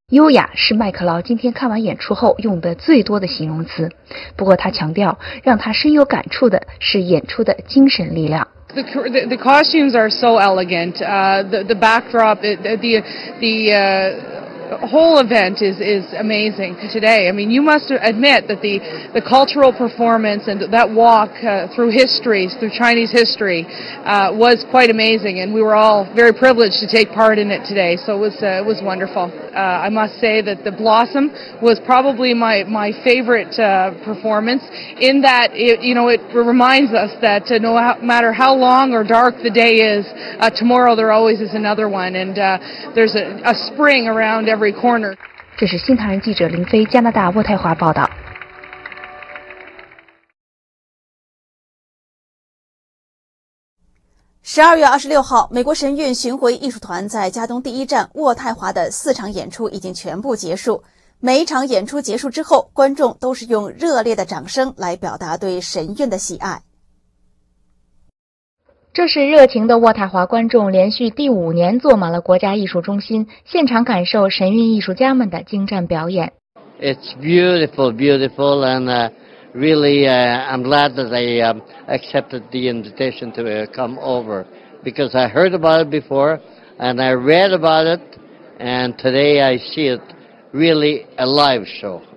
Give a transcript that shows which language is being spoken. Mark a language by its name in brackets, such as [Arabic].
[Chinese] 优雅是麦克劳今天看完演出后用的最多的形容词。不过他强调，让他深有感触的是演出的精神力量。 [English] The costumes are so elegant. The backdrop, the whole event is amazing today. I mean, you must admit that the cultural performance and that walk through Chinese history was quite amazing, and we were all very privileged to take part in it today. So it was wonderful. I must say that the Blossom was probably my favorite performance. In that, it reminds us that no matter how long or dark the day is, tomorrow there always is another one, and there's a spring around every corner. [Chinese] 这是新唐人记者林飞，加拿大渥太华报道。 12月26号，美国神韵巡回艺术团在加东第一站渥太华的四场演出已经全部结束。每一场演出结束之后，观众都是用热烈的掌声来表达对神韵的喜爱。这是热情的渥太华观众连续第五年坐满了国家艺术中心，现场感受神韵艺术家们的精湛表演。 [English] It's beautiful, beautiful, and really I'm glad that they accepted the invitation to come over because I heard about it before and I read about it and today I see it really a live show.